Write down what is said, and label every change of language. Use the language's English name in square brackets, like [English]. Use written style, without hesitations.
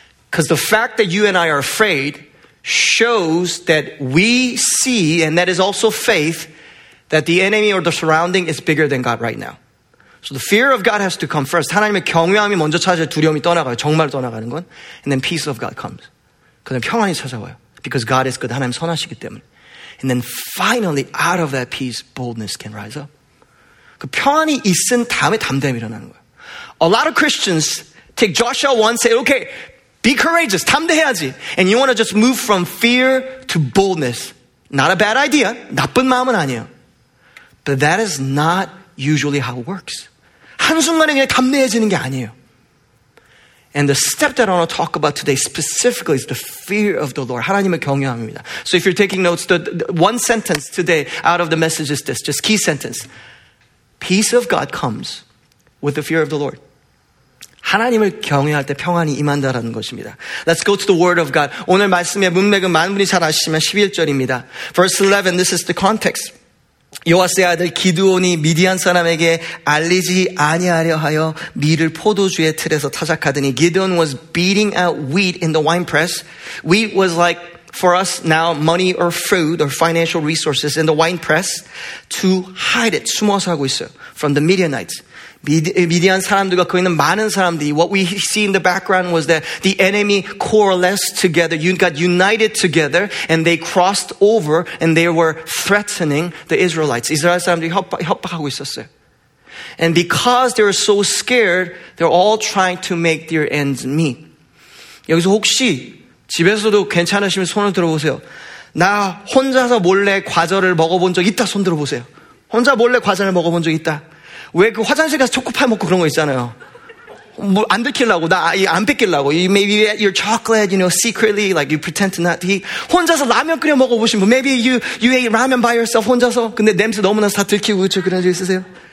[English] Because the fact that you and I are afraid shows that we see, and that is also faith, that the enemy or the surrounding is bigger than God right now. So the fear of God has to come first. [Korean] 하나님의 경외함이 먼저 찾아야 두려움이 떠나가요. 정말 떠나가는 건. [English] And then peace of God comes. [Korean] 그 다음 평안이 찾아와요. [English] Because God is good. [Korean] 하나님 선하시기 때문에. [English] And then finally, out of that peace, boldness can rise up. [Korean] 그 평안이 있은 다음에 담대함이 일어나는 거예요. [English] A lot of Christians take Joshua 1 and say, okay, be courageous, [Korean] 담대해야지. [English] And you want to just move from fear to boldness. Not a bad idea, [Korean] 나쁜 마음은 아니에요. [English] But that is not usually how it works. [Korean] 한순간에 그냥 담대해지는 게 아니에요. [English] And the step that I want to talk about today specifically is the fear of the Lord. [Korean] 하나님을 경외함입니다. [English] So if you're taking notes, the one sentence today out of the message is this, just key sentence. Peace of God comes with the fear of the Lord. [Korean] 하나님을 경외할 때 평안이 임한다라는 것입니다. [English] Let's go to the word of God. [Korean] 오늘 말씀의 문맥은 많은 분이 잘 아시지만 11절입니다. [English] Verse 11, this is the context. [Korean] 요아스의 아들 기드온이 미디안 사람에게 알리지 아니하려 하여 밀을 포도주의 틀에서 타작하더니 [English] Gideon was beating out wheat in the wine press. Wheat was like for us now money or food or financial resources in the wine press to hide it, [Korean] 숨어서 하고 있어요. [English] From the Midianites. [Korean] 미디안 사람들과 그 있는 많은 사람들이 [English] what we see in the background was that the enemy coalesced together, got united together and they crossed over and they were threatening the Israelites. [Korean] 이스라엘 사람들이 협박하고 있었어요. [English] And because they were so scared, they're all trying to make their ends meet. [Korean] 여기서 혹시 집에서도 괜찮으시면 손을 들어보세요. 나 혼자서 몰래 과자를 먹어본 적 있다 손 들어보세요. 혼자 몰래 과자를 먹어본 적 있다. 왜 그 화장실 가서 초코파이 먹고 그런 거 있잖아요. 뭐 안 들키려고 나 안 뺏기려고 [English] you maybe you ate your chocolate you know secretly like you pretend to not eat [Korean] 혼자서 라면 끓여 먹어보신 분 [English] maybe you ate ramen by yourself [Korean] 혼자서 근데 냄새 너무나 다 들키고 그렇죠 그런 적 있으세요?